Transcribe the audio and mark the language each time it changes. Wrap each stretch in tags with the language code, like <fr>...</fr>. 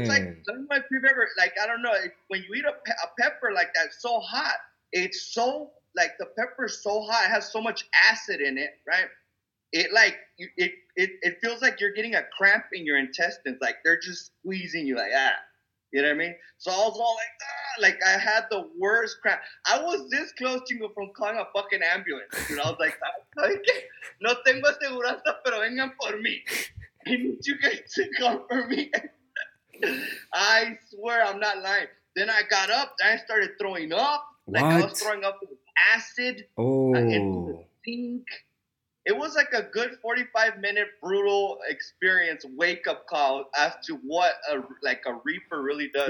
<en>It's like, if you've ever, like, I don't know, when you eat a pepper like that, so hot, it's so, like, the pepper is so hot, it has so much acid in it, right? It feels like you're getting a cramp in your intestines, like, they're just squeezing you like that, you know what I mean? So I was all like, I had the worst cramp. I was this close to you from calling a fucking ambulance, dude.</en> <es>I was like, no tengo seguranza, pero vengan por mí.</es> <en>I need you guys to come for me. I swear, I'm not lying. Then I got up. Then I started throwing up. What? Like I was throwing up with acid. Oh. Into the sink. It was like a good 45-minute brutal experience, wake-up call as to what a reaper really does,</en>